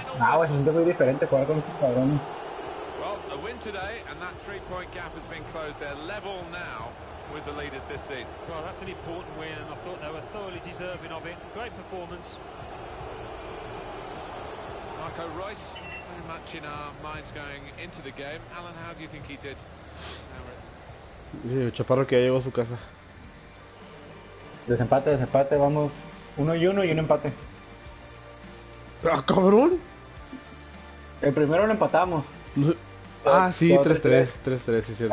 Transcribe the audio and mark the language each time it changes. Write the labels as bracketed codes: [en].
[es] Ah, güey, se siente muy diferente jugar con estos cabrones. [en] Today and that 3-point gap has been closed. They're level now with the leaders this season. Well, that's an important win, and I thought they were thoroughly deserving of it. Great performance. Marco Reus, very much in our minds going into the game. Alan, how do you think he did? [es] Dice Chaparro que ya llegó a su casa. Desempate, desempate, vamos. Uno y uno y un empate. ¡Ah, cabrón! El primero lo empatamos. Ah, sí, 3-3, sí, es cierto.